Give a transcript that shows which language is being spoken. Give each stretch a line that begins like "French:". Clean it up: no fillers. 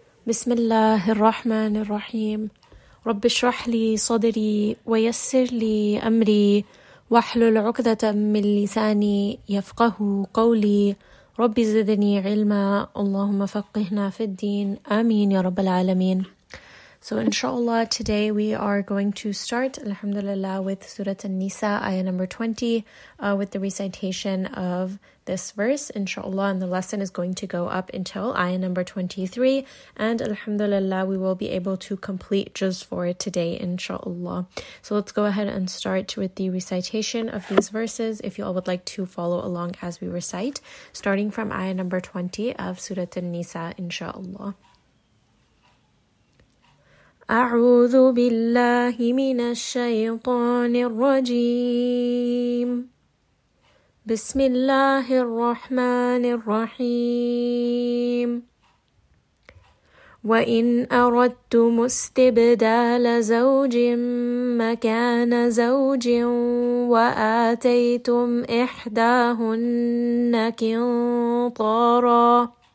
Arabic: بسم الله الرحمن الرحيم. رب اشرح لي صدري ويسر لي أمري واحلل عقدة من لساني يفقه قولي. رب زدني علما اللهم فقهنا في الدين آمين يا رب العالمين.
English: So inshallah today we are going to start alhamdulillah with Surah An-Nisa ayah number 20 with the recitation of this verse inshallah, and the lesson is going to go up until ayah number 23, and alhamdulillah we will be able to complete juz for today inshallah. So let's go ahead and start with the recitation of these verses if you all would like to follow along as we recite, starting from ayah number 20 of Surah An-Nisa inshallah.
Arabic: أعوذ بالله من الشيطان الرجيم. بسم الله الرحمن الرحيم. وإن أردتم استبدال زوج مكان زوج وآتيتم إحداهن قنطارا